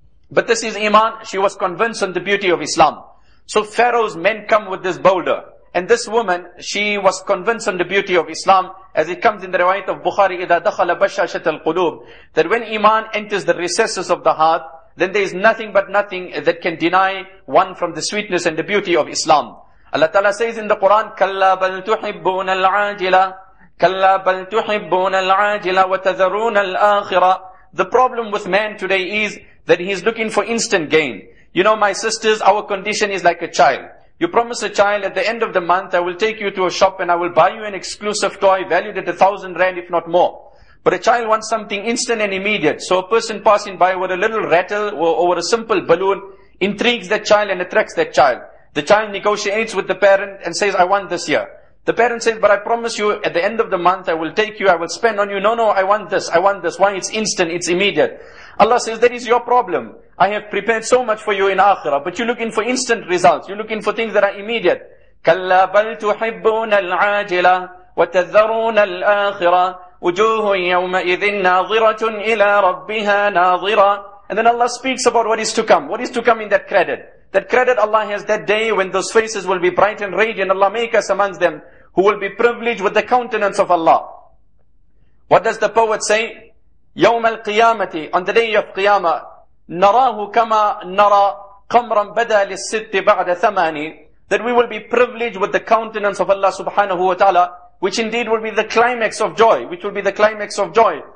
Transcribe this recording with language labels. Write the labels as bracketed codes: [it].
[en] But this is Iman, she was convinced on the beauty of Islam. So Pharaoh's men come with this boulder. And this woman, she was convinced on the beauty of Islam, as it comes in the riwayat of Bukhari, [ar] إِذَا دَخَلَ بَشَّاشَةَ الْقُلُوبِ, [en] that when Iman enters the recesses of the heart, then there is nothing but nothing that can deny one from the sweetness and the beauty of Islam. [ar] Allah Ta'ala says in the Quran, كَلَّا بَلْ تُحِبُّونَ الْعَاجِلَ كَلَّا بَلْ تُحِبُّونَ الْعَاجِلَ وَتَذَرُونَ الْآخِرَ. [en] The problem with man today is that he is looking for instant gain. You know, my sisters, our condition is like a child. You promise a child, at the end of the month, I will take you to a shop and I will buy you an exclusive toy valued at 1,000 rand, if not more. But a child wants something instant and immediate. So a person passing by with a little rattle or a simple balloon intrigues that child and attracts that child. The child negotiates with the parent and says, I want this here. The parent says, but I promise you, at the end of the month, I will take you, I will spend on you. No, I want this, I want this. Why? It's instant, it's immediate. Allah says, that is your problem. I have prepared so much for you in Akhirah, but you're looking for instant results. You're looking for things that are immediate. [ar] كَلَّا بَلْ تُحِبُّونَ الْعَاجِلَ وَتَذَّرُونَ الْآخِرَةِ وُجُوهٌ يَوْمَئِذٍ نَاظِرَةٌ إِلَىٰ رَبِّهَا نَاظِرَةٌ. [en] And then Allah speaks about what is to come. What is to come in that credit? That credit Allah has that day when those faces will be bright and radiant. Allah make us amongst them who will be privileged with the countenance of Allah. What does the poet say? [ar] يَوْمَ الْقِيَامَةِ, [en] on the day of Qiyamah, [ar] نَرَاهُ كَمَا نَرَى قَمْرًا بَدَى لِلسِّتِّ بَعْدَ ثَمَانِ, [en] that we will be privileged with the countenance of Allah subhanahu wa ta'ala, which indeed will be the climax of joy, which will be the climax of joy.